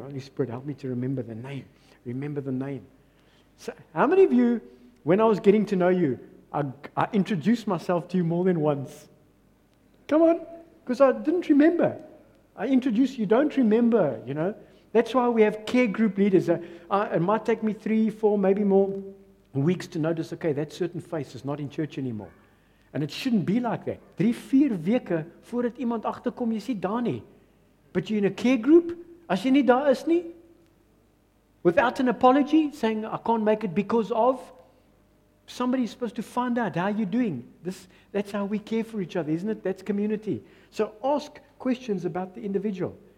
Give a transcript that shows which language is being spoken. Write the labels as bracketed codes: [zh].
[en] Holy Spirit, help me to remember the name. Remember the name. So how many of you, when I was getting to know you, I introduced myself to you more than once? Come on. Because I didn't remember. I introduced you, don't remember, you know. That's why we have care group leaders. It might take me 3, 4, maybe more weeks to notice, okay, that certain face is not in church anymore. And it shouldn't be like that. [af] 3, 4 weke voordat iemand agterkom, jy sê daar nie. [en] But you're in a care group, [af] as jy nie daar is nie, [en] without an apology, saying, I can't make it because of, somebody is supposed to find out, how are you doing? That's how we care for each other, isn't it? That's community. So ask questions about the individual.